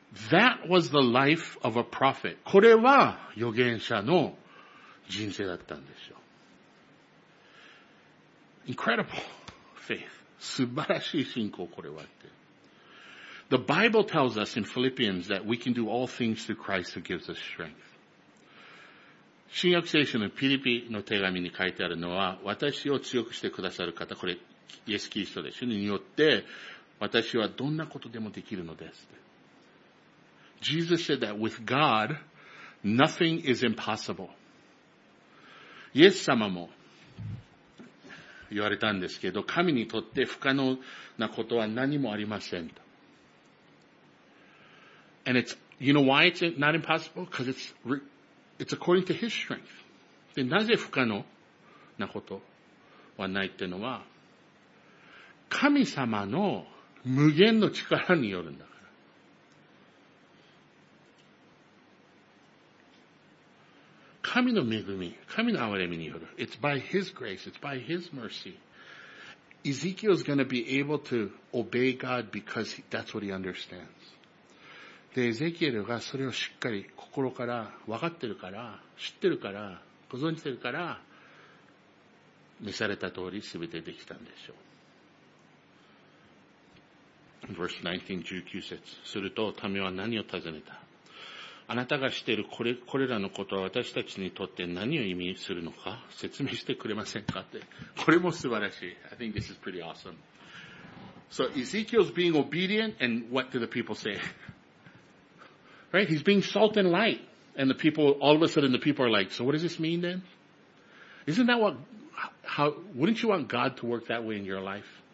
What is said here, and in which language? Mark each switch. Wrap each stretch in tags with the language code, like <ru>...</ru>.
<en>That was the life of a prophet.</en> <ja>これは預言者の人生だったんでしょ?</ja> <en>Incredible faith.</en> <ja>素晴らしい信仰これはって。</ja> <en>The Bible tells us in Philippians that we can do all things through Christ who gives us strength.</en> <ja>新約聖書のピリピの手紙に書いてあるのは、私を強くしてくださる方、これ、イエス・キリストですよね、によって、私はどんなことでもできるのです。</ja> <en>Jesus said that with God, nothing is impossible.</en> <ja>イエス様も言われたんですけど、神にとって不可能なことは何もありません。</ja> <en>And it's, you know why it's not impossible? Because it's according to his strength.</en> <ja>で、なぜ不可能なことはないっていうのは、神様の無限の力によるんだから。神の恵み、神の憐れみによる。</ja> <en>It's by His grace, it's by His mercy. Ezekiel is going to be able to obey God because that's what he understands.</en> <ja>で、エゼキエルがそれをしっかり心から分かってるから、知ってるから、ご存知てるから、召された通り全てできたんでしょう。</ja> <en>Verse 19-</en> <ja>19 節。すると民は何を尋ねた？あなたがしているこれらのことは私たちにとって何を意味するのか説明してくれませんかって。これも素晴らしい。</ja> <en>I think this is pretty awesome. So Ezekiel's being obedient and what do the people say? Right? He's being salt and light. And the people, all of a sudden the people are like, so what does this mean then? Isn't that what, how, wouldn't you want God to work that way in your life?</en>